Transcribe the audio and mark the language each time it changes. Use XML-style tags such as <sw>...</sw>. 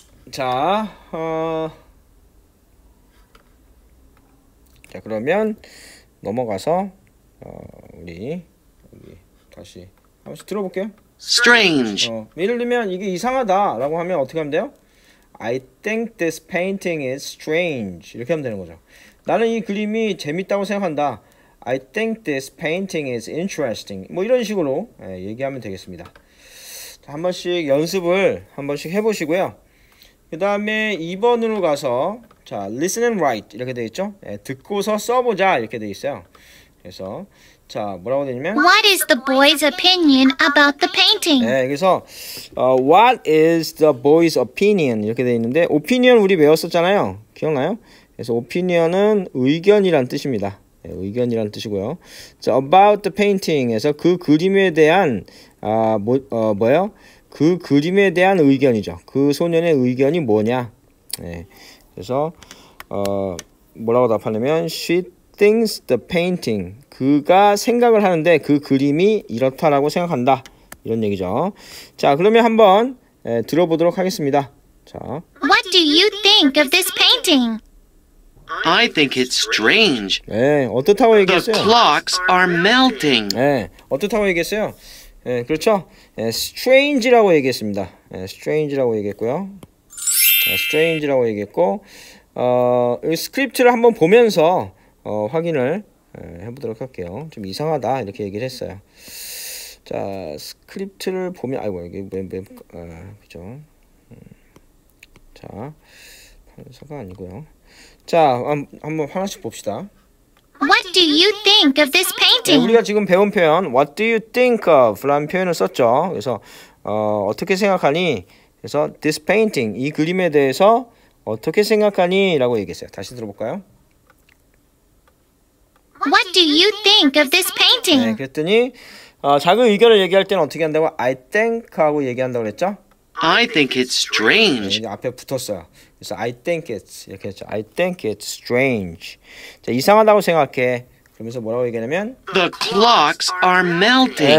<ko>자, 자, 그러면 넘어가서 우리 다시 한번 들어볼게요.</ko> <en>Strange.</en> <ko>예를 들면 이게 이상하다라고 하면 어떻게 하면 돼요?</ko> <en>I think this painting is strange.</en> <ko>이렇게 하면 되는 거죠. 나는 이 그림이 재밌다고 생각한다.</ko> <en>I think this painting is interesting.</en> <ko>뭐 이런 식으로 얘기하면 되겠습니다. 한 번씩 연습을 한 번씩 해보시고요. 그 다음에 2번으로 가서 자</ko> <en>listen and write</en> <ko>이렇게 되어 있죠. 예, 듣고서 써보자 이렇게 되어 있어요. 그래서 자 뭐라고 되냐면</ko> <en>What is the boy's opinion about the painting?</en> <ko>네, 그래서</ko> <en>What is the boy's opinion?</en> <ko>이렇게 되어 있는데 opinion 우리 배웠었잖아요. 기억나요? 그래서 opinion은 의견이란 뜻입니다. 네, 의견이란 뜻이고요. 자, about the painting에서 그 그림에 대한 뭐요? 그 그림에 대한 의견이죠. 그 소년의 의견이 뭐냐? 네. 그래서 뭐라고 답하냐면</ko> <en>she thinks the painting.</en> <ko>그가 생각을 하는데 그 그림이 이렇다라고 생각한다. 이런 얘기죠. 자, 그러면 한번 들어보도록 하겠습니다. 자.</ko> <en>What do you think of this painting? I think it's strange.</en> <ko>네, 어떻다고 얘기했어요?</ko> <en>The clocks are melting.</en> <ko>네, 어떻다고 얘기했어요? 예, 그렇죠. 예, strange라고 얘기했습니다. 예, strange라고 얘기했고요. 예, strange라고 얘기했고, 스크립트를 한번 보면서 확인을 해보도록 할게요. 좀 이상하다 이렇게 얘기를 했어요. 자, 스크립트를 보면, 아이고 이게 그죠. 자, 판서가 아니고요. 자, 한번 하나씩 봅시다.</ko> <en>What do you think of this painting?</en> <ko>네, 우리가 지금 배운 표현</ko> <en>What do you think of?</en> <ko>라는 표현을 썼죠. 그래서 어떻게 생각하니? 그래서 this painting 이 그림에 대해서 어떻게 생각하니? 라고 얘기했어요. 다시 들어볼까요?</ko> <en>What do you think of this painting?</en> <ko>네, 그랬더니 자기 의견을 얘기할 때는 어떻게 한다고?</ko> <en>I think</en> <ko>하고 얘기한다고 그랬죠?</ko> <en>I think it's strange.</en> <ko>네, 앞에 붙었어요. 그래서</ko> <en>I think it's</en> <ko>이렇게 했죠.</ko> <en>I think it's strange.</en> <ko>자, 이상하다고 생각해. 그러면서 뭐라고 얘기하냐면</ko> <en>The clocks are melting.</en>